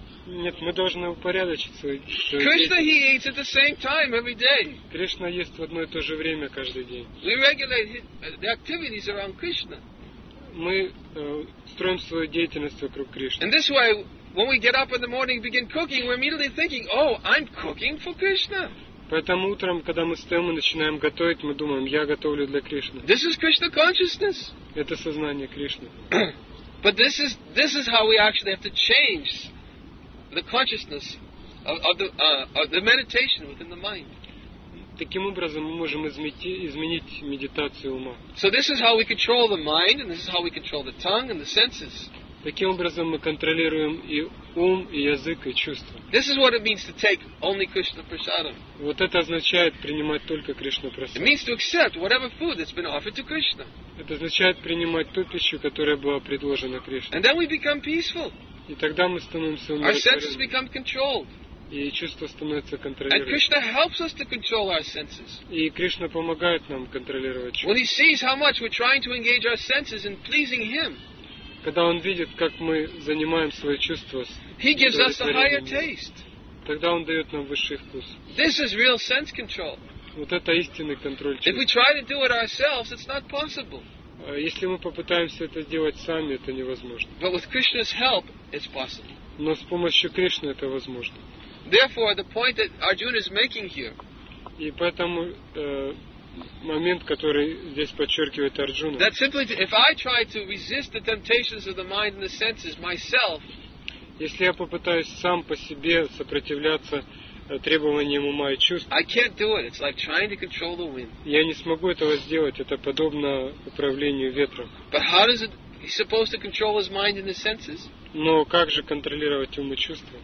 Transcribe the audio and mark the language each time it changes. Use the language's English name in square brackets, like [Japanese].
[Russian] Нет, мы должны упорядочить свой. [English] Krishna, he eats at the same time every day. [Russian] Кришна ест в одно и то же время каждый день. [English] We regulate the activities around Krishna. [Russian] Мы строим свою деятельность вокруг Кришны. [English] And this way, when we get up in the morning and begin cooking, we're immediately thinking, "Oh, I'm cooking for Krishna." [Russian] Поэтому утром, когда мы встаем и начинаем готовить, мы думаем, я готовлю для Кришны. [English] This is Krishna consciousness. [Russian] Это сознание Кришны. [English] But this is how we actually have to change. The consciousness of the meditation within the mind. [Russian] Таким образом мы можем изменить медитацию ума. [English] So this is how we control the mind, and this is how we control the tongue and the senses. [Russian] Таким образом мы контролируем и ум, и язык, и чувства. [English] This is what it means to take only Krishna prasadam. [Russian] Вот это означает принимать только Кришна прасадам. [English] It means to accept whatever food that's been offered to Krishna. [Russian] Это означает принимать ту пищу, которая была предложена Кришне. [English] And then we become peaceful. [Russian] И тогда мы становимся умиротворенными. И чувства становятся контролируемыми. [English] And Krishna helps us to control our senses. [Russian] И Кришна помогает нам контролировать чувства. [English] When he sees how much we're trying to engage our senses in pleasing him. [Russian] Когда он видит, как мы занимаем свои чувства. [English] He gives us a higher taste. [Russian] Тогда он дает нам высший вкус. [English] This is real sense control. [Russian] Вот это истинный контроль чувств. [English] If we try to do it ourselves, it's not possible. [Russian] Если мы попытаемся это сделать сами, это невозможно. [English] But with Krishna's help, it's possible. [Russian] Но с помощью Кришны это возможно. [English] Therefore, the point that Arjuna is making here. [Russian] И поэтому момент, который здесь подчеркивает Арджуна. [English] That simply, if I try to resist the temptations of the mind and the senses myself. [Russian] Если я попытаюсь сам по себе сопротивляться требованиям ума и чувств, [English] I can't do it. It's like trying to control the wind. [Russian] Я не смогу этого сделать. Это подобно управлению ветром. [English] But how is it supposed to control his mind and his senses? [Russian] Но как же контролировать ум и чувства?